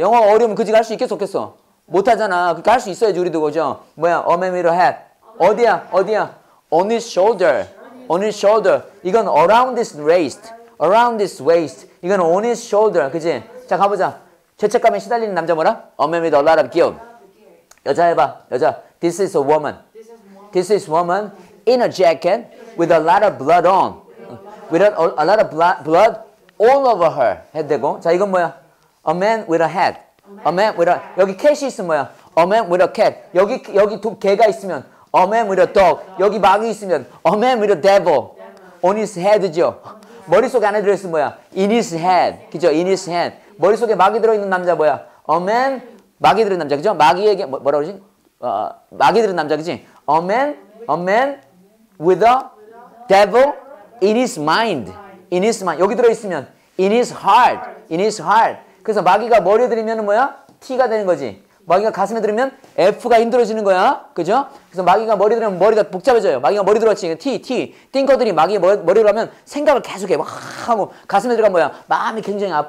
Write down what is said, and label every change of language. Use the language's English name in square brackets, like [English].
[Korean] 영어가 어려우면 그지가 할 수 있겠어? 없겠어? 못하잖아. 그러니까 할 수 있어야지 우리도. 그죠? 뭐야? [English] A man with a hat. [Korean] 어디야? 어디야? [English] On his shoulder. On his shoulder. [Korean] 이건 [English] around his waist. Around his waist. 이건 on his shoulder. [Korean] 그치? 자, 가보자. 죄책감에 시달리는 남자 뭐라? [English] A man with a lot of guilt. [Korean] 여자 해봐. 여자. [English] This is a woman. This is a woman in a jacket with a lot of blood on. With a lot of blood all over her. [Korean] 해도 되고. 자, 이건 뭐야? A man with a hat. [English] A man with a... [Korean] 여기 cat이 있으면 뭐야? [English] A man with a cat. [Korean] 여기 개가 있으면 [English] A man with a dog. [Korean] 여기 마귀 있으면 [English] A man with a devil. On his head죠. [Korean] 머릿속에 안에 들어있으면 뭐야? [English] In his head. [Korean] 그죠? [English] In his head. [Korean] 머릿속에 마귀 들어있는 남자 뭐야? A man... 마귀 들은 남자, 그죠? 마귀에게 뭐라 그러지? 마귀 들은 남자, 그지? [English] A man with a devil in his mind. In his mind. [Korean] 여기 들어있으면 [English] in his heart. In his heart. [Korean] 그래서 마귀가 머리에 들으면 뭐야? T가 되는 거지. 마귀가 가슴에 들으면 F가 힘들어지는 거야. 그죠? 그래서 마귀가 머리 들으면 머리가 복잡해져요. 마귀가 머리 들어왔지. T, T. 띵커들이 마귀의 머리로 하면 생각을 계속해. 막 하고 가슴에 들어가면 뭐야? 마음이 굉장히 아파.